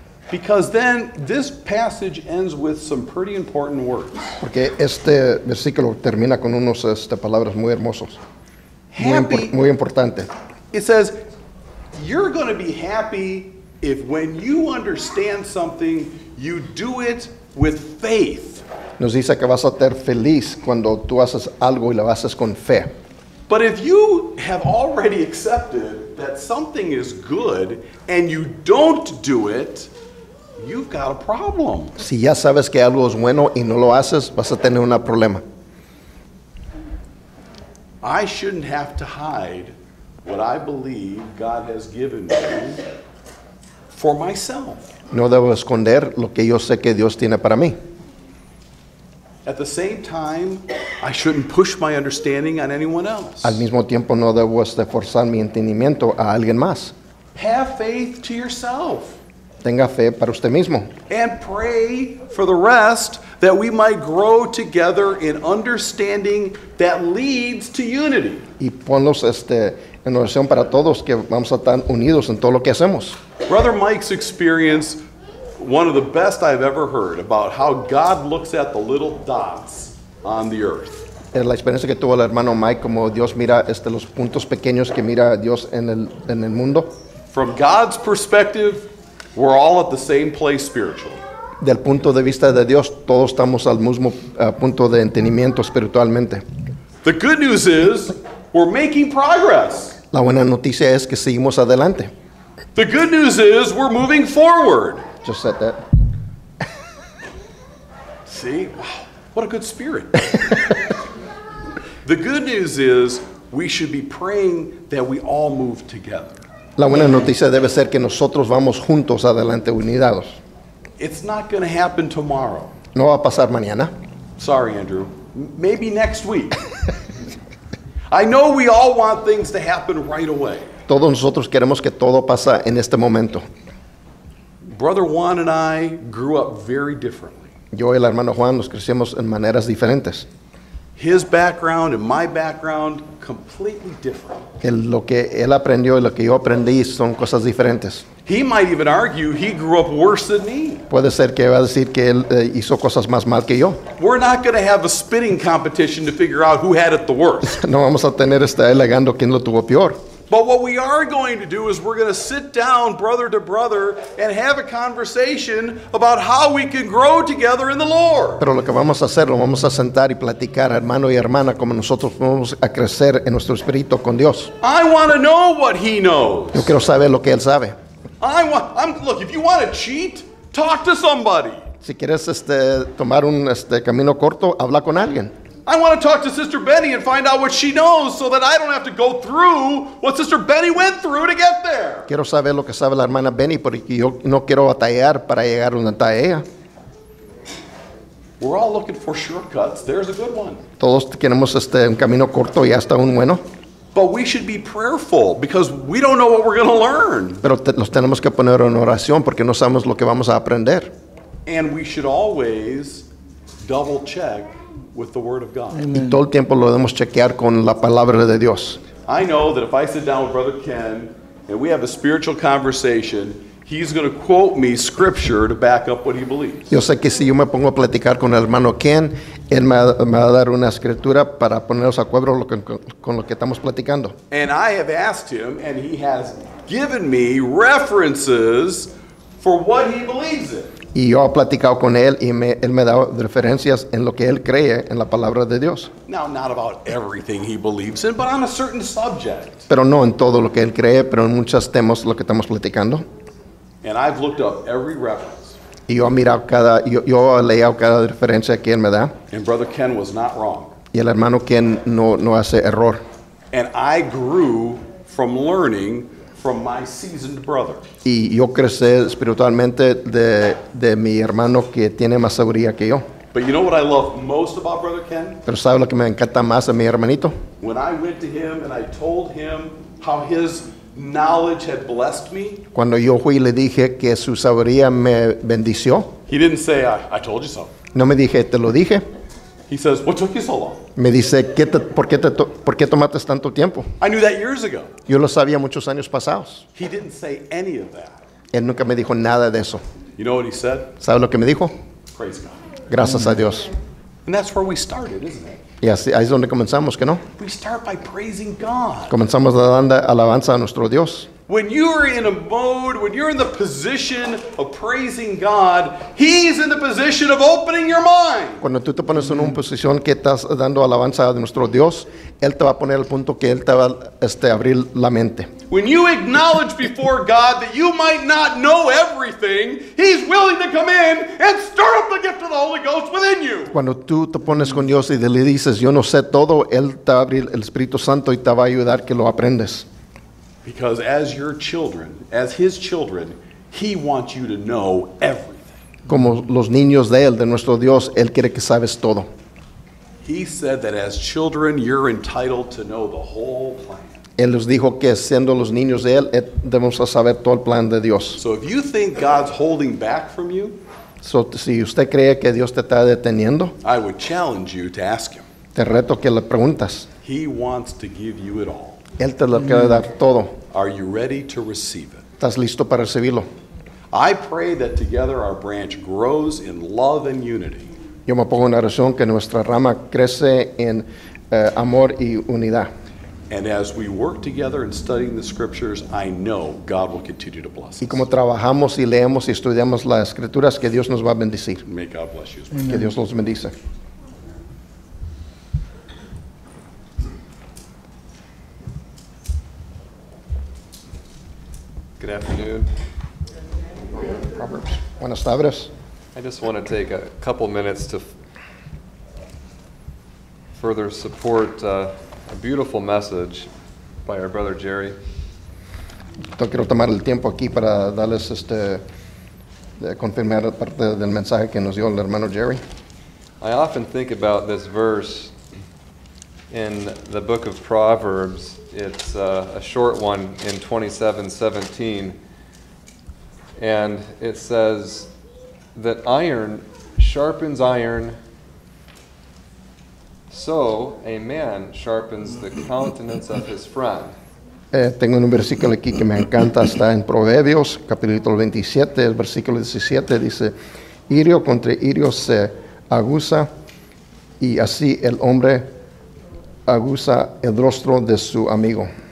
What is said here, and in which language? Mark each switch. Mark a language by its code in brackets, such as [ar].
[en] Because then this passage ends with some pretty important words. [es] Porque este versículo termina con unos palabras muy hermosos. [en] Happy, [es] muy importante. [en] It says, you're going to be happy if when you understand something, you do it with faith. [es] Nos dice que vas a estar feliz cuando tú haces algo y lo haces con fe. [en] But if you have already accepted that something is good and you don't do it, you've got a problem. [es] Si ya sabes que algo es bueno y no lo haces, vas a tener un problema. [en] I shouldn't have to hide what I believe God has given me for myself. [es] No debo esconder lo que yo sé que Dios tiene para mí. [en] At the same time, I shouldn't push my understanding on anyone else. [es] Al mismo tiempo, no debo esforzar mi entendimiento a alguien más. [en] Have faith to yourself. [es] Tenga fe para usted mismo. [en] And pray for the rest that we might grow together in understanding that leads to unity. [es] Y ponlos en oración para todos que vamos a estar unidos en todo lo que hacemos. [en] Brother Mike's experience, one of the best I've ever heard about how God looks at the little dots on the earth. [es] La experiencia que tuvo el hermano Mike, como Dios mira los puntos pequeños que mira Dios en el mundo. [en] From God's perspective, we're all at the same place spiritually. [es] Del punto de vista de Dios, todos estamos al mismo punto de entendimiento espiritualmente. [en] The good news is, we're making progress. [es] La buena noticia es que seguimos adelante. [en] The good news is, we're moving forward. Just said that. See? Wow, what a good spirit. The good news is, we should be praying that we all move together. [es] La buena noticia debe ser que nosotros vamos juntos adelante, unidos. [en] It's not going to happen tomorrow. [es] No va a pasar mañana. [en] Sorry, Andrew. Maybe next week. I know we all want things to happen right away. [es] Todos nosotros queremos que todo pase en este momento. [en] Brother Juan and I grew up very differently. [es] Yo y el hermano Juan nos crecimos en maneras diferentes. [en] His background and my background, completely different. [es] Lo que él aprendió y lo que yo aprendí son cosas diferentes. [en] He might even argue he grew up worse than me. [es] Puede ser que va a decir que él hizo cosas más mal que yo. [en] We're not going to have a spitting competition to figure out who had it the worst. [es] No vamos a tener alegando quién lo tuvo peor. [en] But what we are going to do is we're going to sit down brother to brother and have a conversation about how we can grow together in the Lord. [es] Pero lo que vamos a hacer, lo vamos a sentar y platicar hermano y hermana como nosotros vamos a crecer en nuestro espíritu con Dios. [en] I want to know what he knows. [es] Yo quiero saber lo que él sabe. [en] Look, if you want to cheat, talk to somebody. [es] Si quieres tomar un camino corto, habla con alguien. [en] I want to talk to Sister Betty and find out what she knows so that I don't have to go through what Sister Betty went through to get there. [es] Quiero saber lo que sabe la hermana Betty porque yo no quiero batallar para llegar donde está ella. [en] We're all looking for shortcuts. There's a good one. [es] Todos queremos un camino corto y hasta un bueno. [en] But we should be prayerful because we don't know what we're going to learn. [es] Pero los tenemos que poner en oración porque no sabemos lo que vamos a aprender. [en] And we should always double check with the word of God. [es] Y todo el tiempo lo debemos chequear con la palabra de Dios. [en] I know that if I sit down with Brother Ken and we have a spiritual conversation, he's going to quote me scripture to back up what he believes. [es] Yo sé que si yo me pongo a platicar con el hermano Ken, él me va a dar una escritura para ponernos a cuadro con lo que estamos platicando. [en] And I have asked him and he has given me references for what he believes in. [es] Y yo he platicado con él y él me ha dado referencias en lo que él cree en la palabra de Dios. [en] Now, not about everything he believes in, but on a certain subject. [es] Pero no en todo lo que él cree, pero en muchos temas lo que estamos platicando. [en] And I've looked up every reference. [es] Y yo he mirado yo he leído cada referencia que él me da. [en] And Brother Ken was not wrong. [es] Y el hermano Ken no hace error. [en] And I grew from learning from my seasoned brother. [es] Y yo crecí espiritualmente de mi hermano que tiene más sabiduría que yo. [en] But you know what I love most about Brother Ken? [es] Pero ¿sabe lo que me encanta más de mi hermanito? [en] When I went to him and I told him how his knowledge had blessed me. [es] Cuando yo fui y le dije que su sabiduría me bendició. [en] He didn't say, I told you so. [es] No me dije, te lo dije. [en] He says, what took you so long? [es] Me dice, ¿por qué tomaste tanto tiempo? [en] I knew that years ago. [es] Yo lo sabía muchos años pasados. [en] He didn't say any of that. [es] Él nunca me dijo nada de eso. [en] You know what he said? [es] ¿Sabe lo que me dijo? [en] Praise God. [es] Gracias a Dios. [en] And that's where we started, isn't it? [es] Y así, ahí es donde comenzamos, ¿qué no? [en] We start by praising God. [es] Comenzamos dando alabanza a nuestro Dios. [en] When you're in a mode, when you're in the position of praising God, He's in the position of opening your mind. [es] Cuando tú te pones en una posición que estás dando alabanza a nuestro Dios, Él te va a poner al punto que Él te va a abrir la mente. [en] When you acknowledge before God that you might not know everything, He's willing to come in and stir up the gift of the Holy Ghost within you. [es] Cuando tú te pones con Dios y le dices, yo no sé todo, Él te va a abrir el Espíritu Santo y te va a ayudar que lo aprendas. [en] Because as your children, as His children, He wants you to know everything. [es] Como los niños de Él, de nuestro Dios, Él quiere que sabes todo. [en] He said that as children, you're entitled to know the whole plan. [es] Él nos dijo que siendo los niños de Él, debemos saber todo el plan de Dios. [en] So if you think God's holding back from you, [es] so, si usted cree que Dios te está deteniendo, [en] I would challenge you to ask Him. [es] Te reto que le preguntas. [en] He wants to give you it all. [es] Él te lo quiere dar todo. [en] Are you ready to receive it? [es] ¿Estás listo para recibirlo? [en] I pray that together our branch grows in love and unity. [es] Yo me pongo en oración que nuestra rama crece en amor y unidad. [en] And as we work together in studying the scriptures, I know God will continue to bless us. [es] Y como trabajamos y leemos y estudiamos las escrituras, que Dios nos va a bendecir. [en] May God bless you. [es] Amen. Que Dios los bendice. [en] Good afternoon. [es] Proverbs. Buenas tardes. [en] I just want to take a couple minutes to further support a beautiful message by our brother Jerry. [es] Quiero tomar el tiempo aquí para darles este confirmar parte del mensaje que nos dio el hermano Jerry. [en] I often think about this verse in the book of Proverbs. It's a short one in 27:17, and it says that iron sharpens iron, so a man sharpens the countenance of his friend. [es] Tengo un versículo aquí que me encanta, está en Proverbios, capítulo 27, el versículo 17, dice, hirio contra hirio se aguza, y así el hombre aguza el rostro de su amigo.